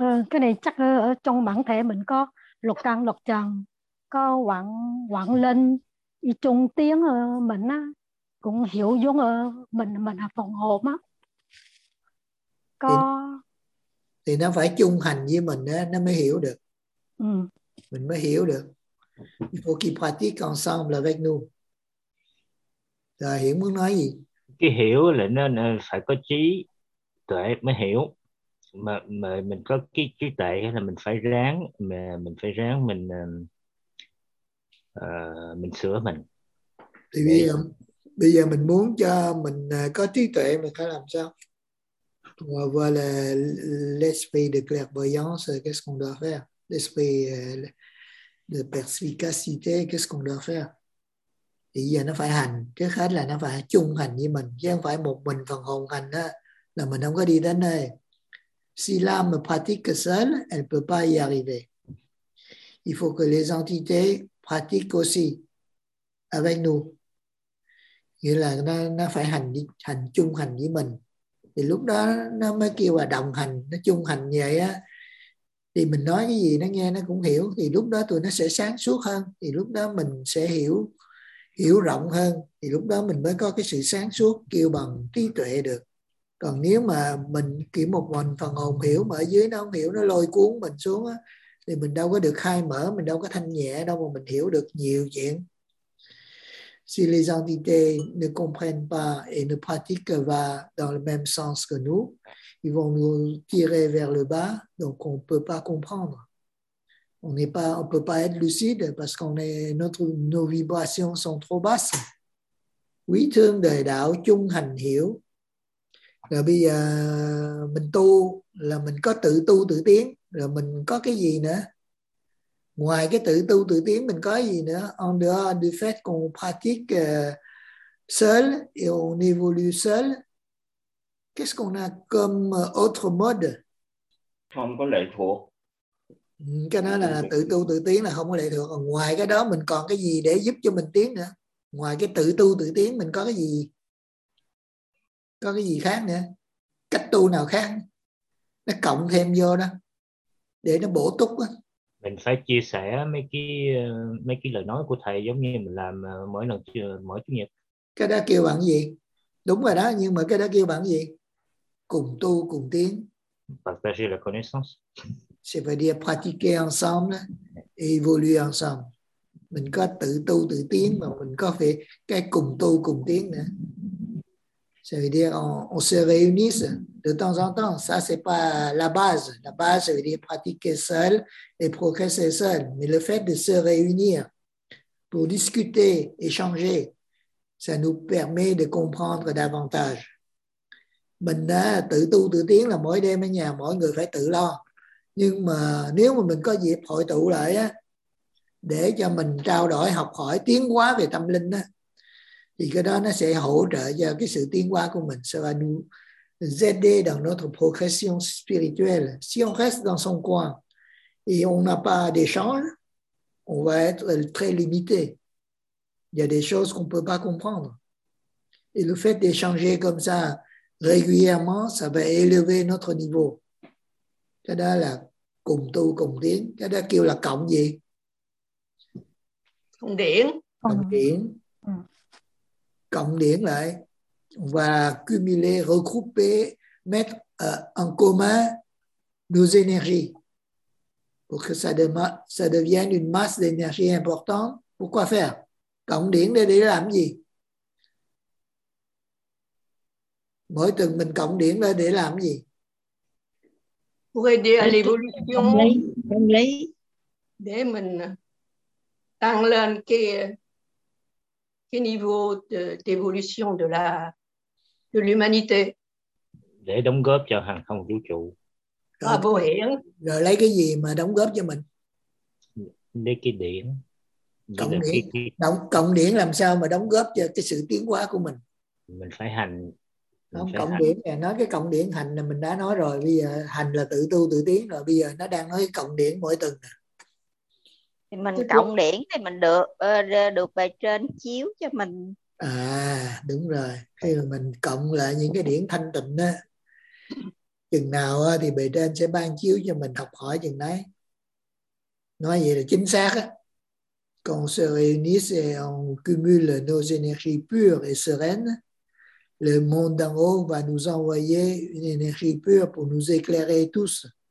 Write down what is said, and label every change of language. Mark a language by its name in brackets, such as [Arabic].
[Vietnamese] Cái này chắc là ở trong bản thể mình có lục căn lục trần, có quảng quảng lên y trung tiếng mình á, cũng hiểu giống ở mình là phòng hồn á, có thì nó phải chung hành với mình á, nó mới hiểu được. Ừ. Mình mới hiểu được. [French] Il faut qu'il pratique ensemble avec nous. [Vietnamese] Rồi Hiển muốn nói gì? Cái hiểu là nên phải có trí tuệ mới hiểu. Mà mình có cái trí tuệ là mình phải ráng, mà mình phải ráng mình sửa mình. Thì bây giờ mình muốn cho mình có trí tuệ mình phải làm sao? [French] Avoir l'esprit de clairvoyance, qu'est-ce qu'on doit faire? L'esprit de perspicacité, qu'est-ce qu'on doit faire? [Vietnamese] Thì giờ nó phải hành, trước hết là nó phải chung hành với mình, chứ không phải một mình phần hồn hành đó, là mình không có đi đến nơi. [French] Si l'âme pratique seule, elle ne peut pas y arriver. Il faut que les entités pratiquent aussi avec nous. [Vietnamese] Nghĩa là nó phải hành chung hành với mình. Thì lúc đó nó mới kêu là đồng hành, nó chung hành vậy á, thì mình nói cái gì nó nghe nó cũng hiểu, thì lúc đó tụi nó sẽ sáng suốt hơn, thì lúc đó mình sẽ hiểu rộng hơn, thì lúc đó mình mới có cái sự sáng suốt kêu bằng trí tuệ được. Còn nếu mà mình kiểu một mình phần hồn hiểu mà ở dưới nó không hiểu, nó lôi cuốn mình xuống á, thì mình đâu có được khai mở, mình đâu có thanh nhẹ đâu mà mình hiểu được nhiều chuyện. [French] Si les entités ne comprennent pas et ne pratiquent pas dans le même sens que nous, ils vont nous tirer vers le bas, donc on ne peut pas comprendre. On ne peut pas être lucide parce que nos vibrations sont trop basses. [Vietnamese] Quý thương đời đạo, chung hành hiểu. Rồi bây giờ mình tu là mình có tự tu tự tiến, rồi mình có cái gì nữa? Ngoài cái tự tu tự tiến mình có gì nữa? [French] En dehors du fait qu'on pratique seul et on évolue seul, qu'est-ce qu'on a comme autre mode? [Vietnamese] Không có lệ thuộc. Cái đó là tự tu tự tiến là không có lệ thuộc. Ngoài cái đó mình còn cái gì để giúp cho mình tiến nữa? Ngoài cái tự tu tự tiến mình có cái gì? Có cái gì khác nữa? Cách tu nào khác? Nó cộng thêm vô đó để nó bổ túc đó. Mình phải chia sẻ mấy cái lời nói của thầy giống như mình làm mỗi lần mỗi chủ nhật. Cái đó kêu bằng gì? Đúng rồi đó, nhưng mà cái đó kêu bằng gì? Cùng tu cùng tiến. [French] Partager la connaissance. C'est pour dire pratiquer ensemble et évoluer ensemble. [Vietnamese] Mình có tự tu tự tiến mà mình có phải cái cùng tu cùng tiến nữa. [French] Ça veut dire on se réunisse de temps en temps. Ça, c'est pas la base. La base, ça veut dire pratiquer seul et progresser seul. Mais le fait de se réunir pour discuter, échanger, ça nous permet de comprendre davantage. [Vietnamese] Mình đã tự tu tự tiến là mỗi đêm ở nhà mỗi người phải tự lo. Nhưng mà nếu mà mình có dịp hội tụ lại á, để cho mình trao đổi, học hỏi, tiến hóa về tâm linh á, thì cái đó nó sẽ hỗ trợ cho cái sự tiến hóa của mình. [French] Ça va nous aider dans notre progression spirituelle. Si on reste dans son coin et on n'a pas d'échange, on va être très limité. Il y a des choses qu'on ne peut pas comprendre. Et le fait d'échanger comme ça régulièrement, ça va élever notre niveau. [Vietnamese] Cái đó là cùng tu cùng tiến. Cái đó kêu là cộng gì? Cộng điển. Cộng điển. Cộng điển lại và [French] cumuler, regrouper, mettre en commun nos énergies pour que ça devienne une masse d'énergie importante. Pourquoi faire? [Vietnamese] Cộng điển để làm gì? Mỗi tuần mình cộng điển để làm gì? [French] Pour aider à l'évolution. [Vietnamese] Tâm lý. Để mình tăng lên cái [French] niveau d'évolution de l'humanité. [Vietnamese] Để đóng góp cho hàng không vũ trụ. À, vô hiển. Rồi lấy cái gì mà đóng góp cho mình? Lấy cái điển. Cộng điển. Cộng điển làm sao mà đóng góp cho cái sự tiến hóa của mình? Mình phải hành. Không, cộng điển này, nói cái cộng điển hành là mình đã nói rồi, bây giờ hành là tự tu tự tiến rồi, bây giờ nó đang nói cộng điển mỗi tuần nè. Thì mình cộng điển thì mình được bề trên chiếu cho mình. À đúng rồi, khi mà mình cộng lại những cái điển thanh tịnh á, chừng nào thì bề trên sẽ ban chiếu cho mình học hỏi chừng đấy. Nói vậy là chính xác á. [French] Quand on se réunisse et on cumule nos énergies pures et sereines, le monde d'en haut va nous envoyer une énergie pure pour nous éclairer tous.